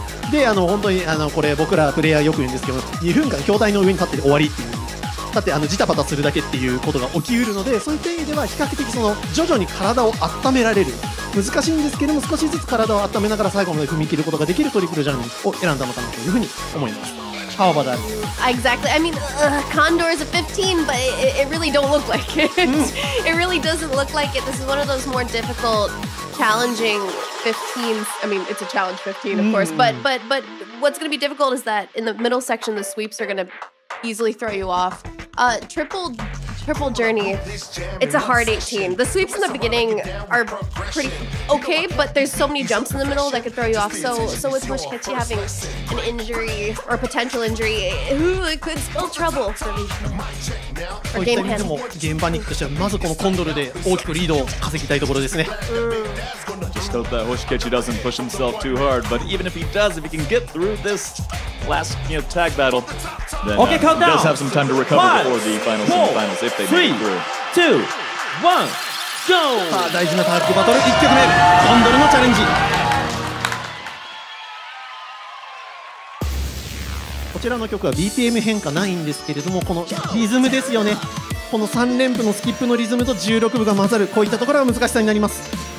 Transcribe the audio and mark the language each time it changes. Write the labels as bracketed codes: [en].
[ja] で、あの本当にあのこれ僕らプレイヤーよく言うんですけど、2分間筐体の上に立って終わりっていう、だってあのジタバタするだけっていうことが起きうるので、そういった意味では比較的その徐々に体を温められる、難しいんですけども、少しずつ体を温めながら最後まで踏み切ることができるトリプルジャーニーを選んだのかなというふうに思います。 [en] How about that? Exactly. I mean, Condor is a 15, but it really don't look like it. It really doesn't look like it. This is one of those more difficult, challenging 15s. I mean, it's a challenge 15, of course. But what's going to be difficult is that in the middle section, the sweeps are going to easily throw you off. Triple Purple Journey, it's a hard 18. The sweeps in the beginning are pretty okay, but there's so many jumps in the middle that could throw you off. So with Mushkichi having an injury or potential injury, it could spell trouble for me. For Game Panic. For Game Panic, [ja] としてはまずこのコンドルで大きくリードを稼ぎたいところですね。 [en] Just hope that Mushkichi doesn't push himself too hard, but even if he does, if he can get through this last, you know, tag battle, then okay, he does have some time to recover before the final semifinals if they make it through. 3, 2, 1, go! [ja] さあ、大事なタッグバトル1曲目、コンドルのチャレンジ。こちらの曲は BPM 変化ないんですけれども、このリズムですよね。この3連符のスキップのリズムと16部が混ざる、こういったところが難しさになります。